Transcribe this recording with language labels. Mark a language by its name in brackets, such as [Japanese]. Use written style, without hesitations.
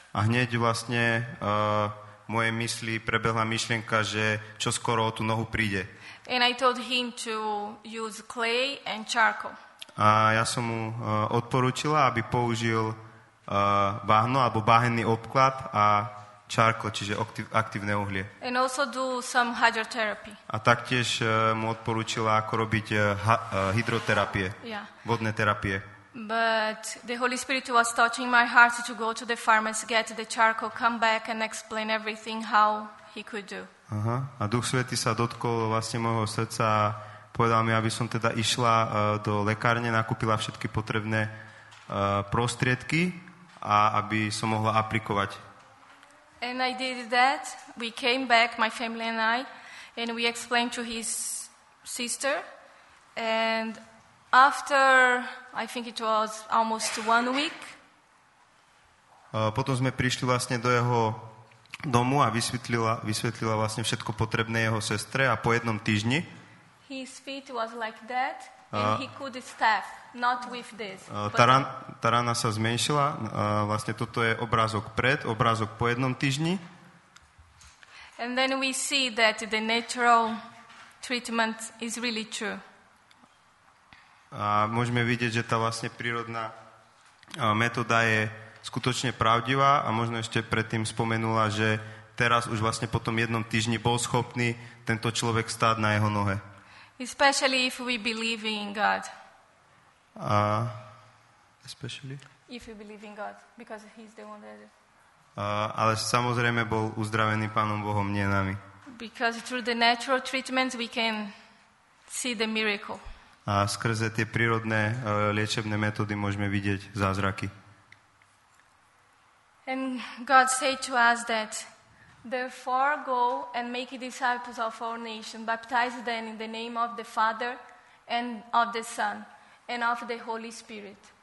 [Slovak] A hneď vlastne moje mysli prebehla myšlienka, že čo skoro o tú nohu príde. [English] And I told him to use clay and charcoal. [Slovak] A ja som mu odporúčila, aby použil bahno alebo bahenný obklad a čarko, čiže aktívne uhlie. [English] And also do some hydrotherapy. [Slovak] A taktiež mu odporúčila, ako robiť hydroterapie. [English] Yeah. [Slovak] Vodné terapie. [English] But the Holy Spirit was touching my heart to go to the pharmacy, get the charcoal, come back and explain everything how he could do. Aha. [Slovak] A Duch Svätý sa dotkol vlastne môjho srdca a povedal mi, aby som teda išla do lekárne, nakúpila všetky potrebné prostriedky a aby som mohla aplikovať. [English] And I did that. We came back, my family and I, and we explained to his sister. And after, I think it was almost 1 week. [Slovak] Potom sme prišli vlastne do jeho domu a vysvetlila vlastne všetko potrebné jeho sestre a po jednom týždni. [English] His feet was like that. And he could staff, not with this. [Slovak] Tarana sa zmenšila. Vlastne toto je obrázok pred, obrázok po jednom týždni. [English] And then we see that the natural treatment is really true. [Slovak] A môžeme vidieť, že tá vlastne prírodná metóda je skutočne pravdivá a možno ešte predtým spomenula, že teraz už vlastne po tom jednom týždni bol schopný tento človek stáť na jeho nohe. [English] Especially if we believe in God. If you believe in God, because he's the one that... [Slovak] Ale samozrejme bol uzdravený Pánom Bohom, nie nami. [English] Because through the natural treatments we can see the miracle. [Slovak] A skrze tie prírodné liečebné metódy môžeme vidieť zázraky. [English] And God said to us that therefore go and make disciples of all nations, baptize them in the name of the Father and of the Son and of the Holy Spirit.